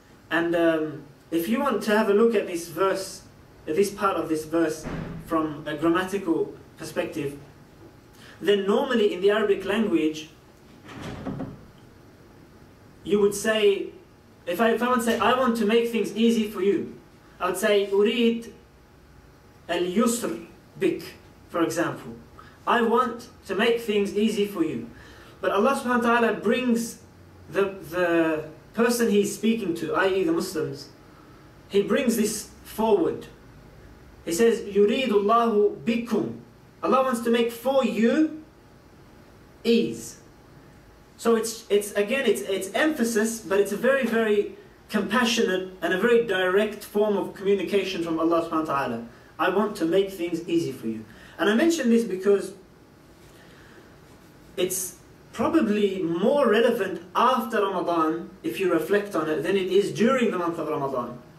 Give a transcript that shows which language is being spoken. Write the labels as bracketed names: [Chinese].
[English] And if you want to have a look at this verse, this part of this verse, from a grammatical perspective, then normally in the Arabic language, you would say, if I would say, I want to make things easy for you, I would say, [Arabic] أُرِيد الْيُسْرَ بِكُ, [English] for example. I want to make things easy for you. But Allah subhanahu wa ta'ala brings the person he's speaking to, i.e. the Muslims, he brings this forward. He says, [Arabic] يُرِيدُ اللَّهُ بِكُمْ. [English] Allah wants to make for you ease. So it's emphasis, but it's a very, very compassionate and a very direct form of communication from Allah subhanahu wa ta'ala. I want to make things easy for you. And I mention this because it's probably more relevant after Ramadan, if you reflect on it, than it is during the month of Ramadan.